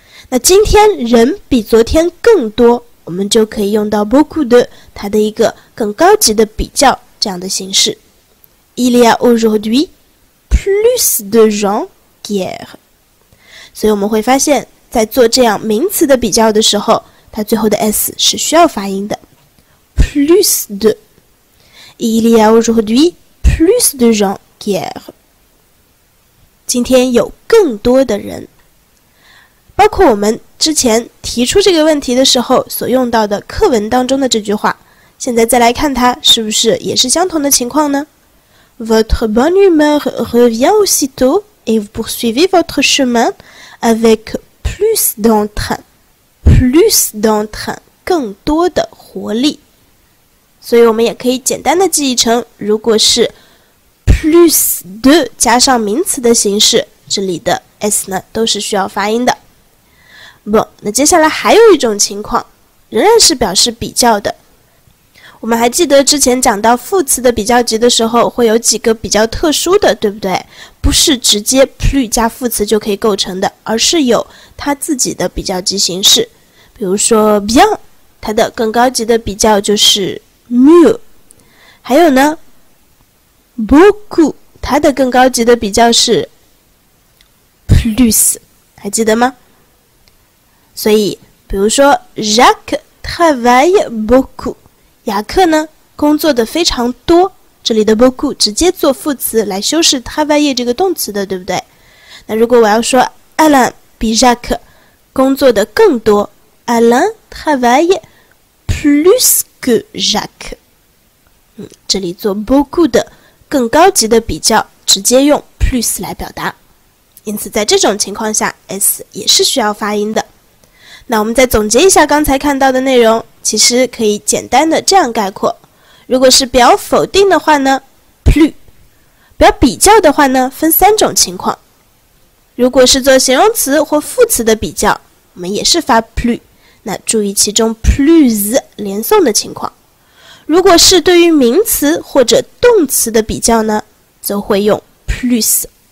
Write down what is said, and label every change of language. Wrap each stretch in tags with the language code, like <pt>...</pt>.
<zh>那今天人比昨天更多，我们就可以用到 beaucoup de 它的一个更高级的比较这样的形式。</zh> <fr>Il y a aujourd'hui plus de gens hier.</fr> <zh>所以我们会发现，在做这样名词的比较的时候，它最后的 s 是需要发音的。</zh> <fr>Plus de。 Il y a aujourd'hui plus de gens qu'hier.</fr> <zh>今天有更多的人。包括我们之前提出这个问题的时候所用到的课文当中的这句话，现在再来看它是不是也是相同的情况呢？</zh> <fr>Votre bonne humeur revient aussitôt et vous poursuivez votre chemin avec plus d'entrain. Plus d'entrain,</fr> <zh>更多的活力。所以我们也可以简单的记忆成，如果是 plus de 加上名词的形式，这里的 s 呢都是需要发音的。不，那接下来还有一种情况，仍然是表示比较的。我们还记得之前讲到副词的比较级的时候，会有几个比较特殊的，对不对？不是直接 plus 加副词就可以构成的，而是有它自己的比较级形式。比如说 bien， 它的更高级的比较就是mieux， 还有呢 beaucoup， 它的更高级的比较是 plus，还记得吗？所以，比如说</zh> <fr>Jacques travaille beaucoup，</fr> <zh>雅克呢，工作的非常多。这里的 beaucoup 直接做副词来修饰 travailler 这个动词的，对不对？那如果我要说 Alain 比 Jacques 工作的更多，</zh> <fr>Alain travaille plus que Jacques。</fr> <zh>这里做 beaucoup 的更高级的比较，直接用 plus 来表达。因此在这种情况下 S 也是需要发音的。那我们再总结一下刚才看到的内容，其实可以简单的这样概括，如果是表否定的话呢 plus， 表比较的话呢分三种情况，如果是做形容词或副词的比较，我们也是发 plus， 那注意其中 plus 连诵的情况，如果是对于名词或者动词的比较呢，则会用 plus。</zh>